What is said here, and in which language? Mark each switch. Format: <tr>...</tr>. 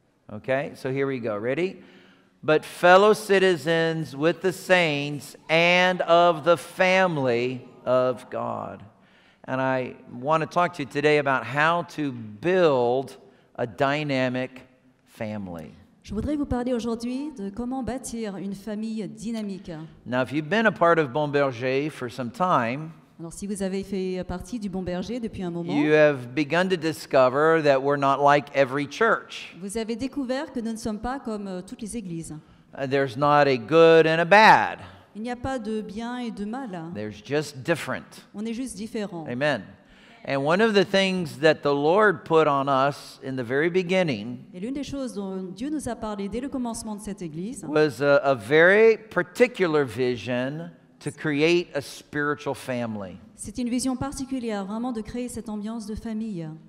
<en>Okay, so here we go. Ready? But fellow citizens with the saints and of the family of God. And I want to talk to you today about how to build a dynamic family.</en> <fr>Je voudrais vous parler aujourd'hui de comment bâtir une famille dynamique.</fr> <en>Now, if you've been a part of Bon Berger for some time,</en> <fr>alors, si vous avez fait partie du Bon Berger depuis un moment,</fr> <en>you have begun to discover that we're not like every church.</en> <fr>Vous avez découvert que nous ne sommes pas comme toutes les églises.</fr> <en>There's not a good and a bad.</en> <fr>Il n'y a pas de bien et de mal.</fr> <en>There's just different.</en> <fr>On est juste différent.</fr> <en>Amen. And one of the things that the Lord put on us in the very beginning</en> <fr>et l'une des choses dont Dieu nous a parlé dès le commencement de cette église</fr> <en>was a very particular vision to create a spiritual family.</en> <fr>C'est une vision particulière vraiment de créer cette ambiance de famille.</fr>